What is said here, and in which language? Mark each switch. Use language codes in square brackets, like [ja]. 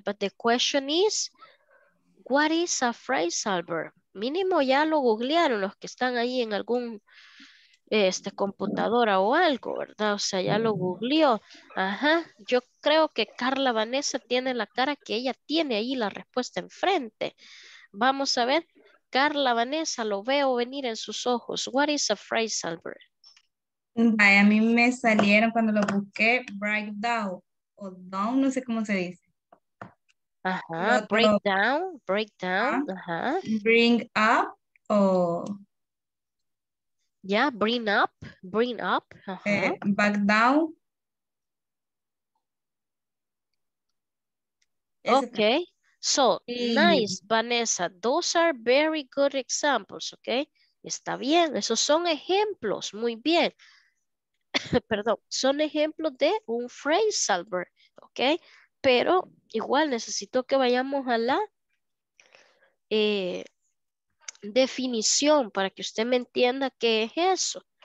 [en] But the question is, what is a phrasal verb? [es] Mínimo ya lo googlearon los que están ahí en algún computadora o algo, ¿verdad? O sea, ya lo googleó. Ajá, yo creo que Carla Vanessa tiene la cara que ella tiene ahí la respuesta enfrente. Vamos a ver, Carla Vanessa, lo veo venir en sus ojos. [en] What is a phrasal verb? [es] Ay, a mí me salieron cuando lo busqué, [en] break down, [es] o down, no sé cómo se dice. Ajá, otro, [en] break down, break down, [es] ajá. [en] Bring up, o... Yeah, bring up, ajá. Back down. Okay, so, nice, Vanessa, those are very good examples, okay? [es] Está bien, esos son ejemplos, muy bien. Perdón, son ejemplos de un phrasal verb, ¿ok? Pero igual necesito que vayamos a la definición para que usted me entienda qué es eso.